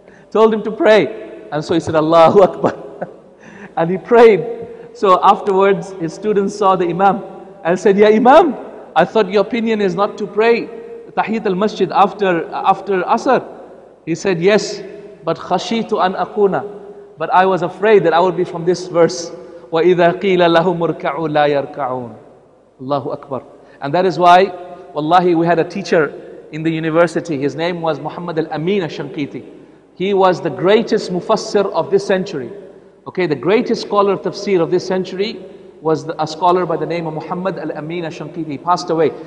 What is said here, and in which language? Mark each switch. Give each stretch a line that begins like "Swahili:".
English: Told him to pray, and so he said, "Allahu Akbar," and he prayed. So afterwards, his students saw the Imam and said, "Ya Imam, I thought your opinion is not to pray tahiyyat al masjid after asr." He said, "Yes, but
Arabic: khashitu an akuna."
English: But I was afraid that I would be from this verse.
Arabic: وَإِذَا قِيلَ لَهُمُ ارْكَعُوا لَا يَرْكَعُونَ Allahu Akbar.
English: And that is why, wallahi, we had a teacher in the university. His name was Muhammad al-Amin al-Shanqiti. He was the greatest mufassir of this century. Okay, the greatest scholar of tafsir of this century was a scholar by the name of Muhammad al-Amin al-Shanqiti. He passed away.